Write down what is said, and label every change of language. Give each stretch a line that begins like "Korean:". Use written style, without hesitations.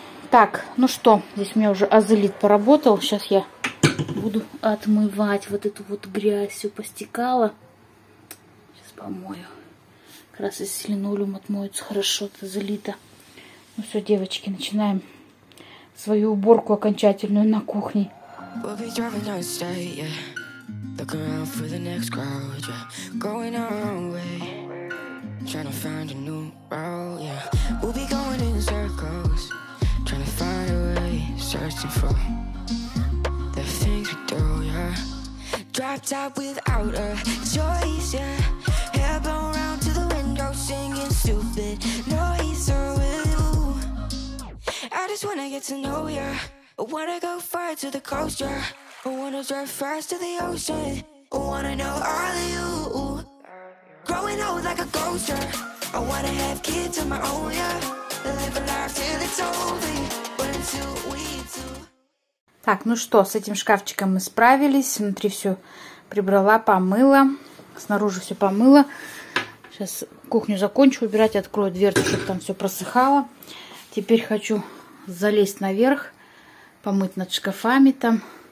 Russian: Так, ну что, здесь у меня уже азелит поработал. Сейчас я буду отмывать вот эту вот грязь, все постекало. Сейчас помою. Как раз из линолеум отмоется хорошо от азелита. Ну все, девочки, начинаем свою уборку окончательную на кухне.
English: We'll be driving out of state, yeah. Looking around for the next crowd, yeah. Going our own way, trying to find a new route, yeah. We'll be going in circles, trying to find a way, searching for the things we do, yeah. Dropped out without a choice, yeah. Hair blown round to the window, singing stupid noise, or will you? I just wanna get to know ya. I wanna go far to the coast, yeah. I wanna drive fast to the ocean. I wanna know all of you. Growing old like a ghost, yeah. I wanna have kids of my own, yeah. Live a life till it's over. But until we do.
Russian: Так, ну что, с этим шкафчиком мы справились. Внутри все прибрала, помыла. Снаружи все помыла. Сейчас кухню закончу убирать, открою дверцу, чтобы там все просыхало. Теперь хочу залезть наверх. Помыть над шкафами там.